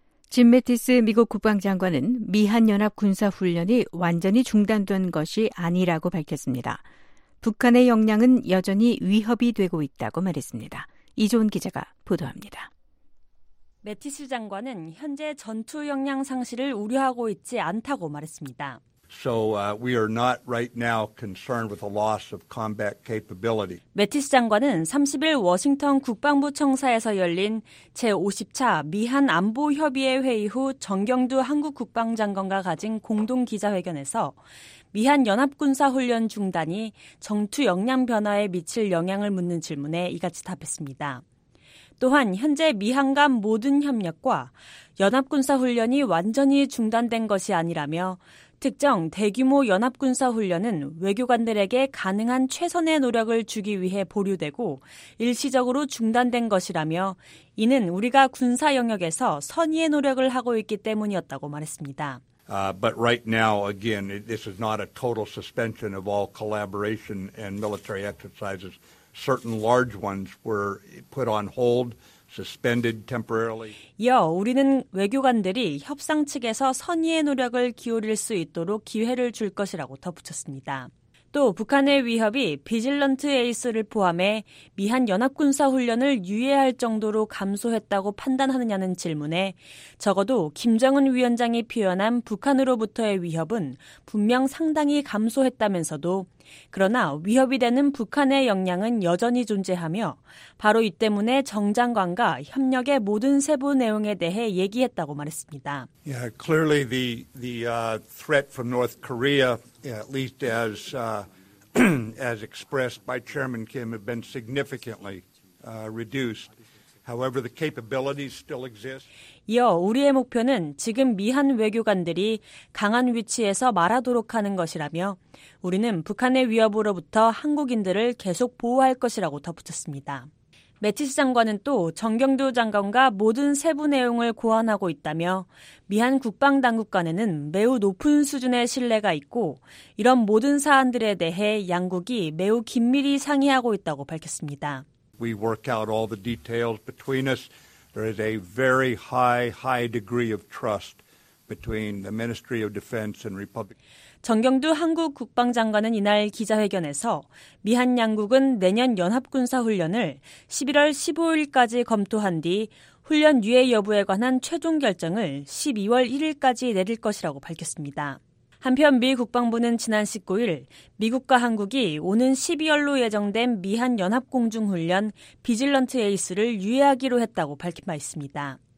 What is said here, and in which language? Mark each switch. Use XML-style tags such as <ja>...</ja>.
<ko>짐 매티스 미국 국방장관은 미한연합군사훈련이 완전히 중단된 것이 아니라고 밝혔습니다. 북한의 역량은 여전히 위협이 되고 있다고 말했습니다. 이조은 기자가 보도합니다. 매티스 장관은 현재 전투 역량 상실을 우려하고 있지 않다고 말했습니다.</ko> <en>So we are not right now concerned with the loss of combat capability.</en> <ko>매티스 장관은 30일 워싱턴 국방부 청사에서 열린 제50차 미한 안보 협의회 회의 후 정경두 한국 국방장관과 가진 공동 기자회견에서 미한 연합군사훈련 중단이 전투 역량 변화에 미칠 영향을 묻는 질문에 이같이 답했습니다. 또한 현재 미한 간 모든 협력과 연합군사훈련이 완전히 중단된 것이 아니라며 특정 대규모 연합군사훈련은 외교관들에게 가능한 최선의 노력을 주기 위해 보류되고 일시적으로 중단된 것이라며 이는 우리가 군사 영역에서 선의의 노력을 하고 있기 때문이었다고 말했습니다.</ko> <en>But right now, again, this is not a total suspension of all collaboration and military exercises. Certain large ones were put on hold, suspended temporarily.</en> <ko>이어 우리는 외교관들이 협상 측에서 선의의 노력을 기울일 수 있도록 기회를 줄 것이라고 덧붙였습니다. 또 북한의 위협이 비질런트 에이스를 포함해 미한 연합군사 훈련을 유예할 정도로 감소했다고 판단하느냐는 질문에 적어도 김정은 위원장이 표현한 북한으로부터의 위협은 분명 상당히 감소했다면서도 그러나 위협이 되는 북한의 역량은 여전히 존재하며 바로 이 때문에 정 장관과 협력의 모든 세부 내용에 대해 얘기했다고 말했습니다.</ko> <en>Yeah, clearly the threat from North Korea at least as expressed by Chairman Kim have been significantly reduced. However, the capabilities still exist.</en> <ko>이어 우리의 목표는 지금 미한 외교관들이 강한 위치에서 말하도록 하는 것이라며 우리는 북한의 위협으로부터 한국인들을 계속 보호할 것이라고 덧붙였습니다. 매티스 장관은 또 정경두 장관과 모든 세부 내용을 고안하고 있다며 미한 국방당국 간에는 매우 높은 수준의 신뢰가 있고 이런 모든 사안들에 대해 양국이 매우 긴밀히 상의하고 있다고 밝혔습니다.</ko> <en>We work out all the details between us. There is a very high degree of trust between the Ministry of Defense and Republic.</en> <ko>정경두 한국 국방장관은 이날 기자회견에서 미한 양국은 내년 연합군사훈련을 11월 15일까지 검토한 뒤 훈련 유예 여부에 관한 최종 결정을 12월 1일까지 내릴 것이라고 밝혔습니다. 한편 미 국방부는 지난 19일 미국과 한국이 오는 12월로 예정된 미한 연합공중훈련 비질런트 에이스를 유예하기로 했다고 밝힌 바 있습니다.</ko>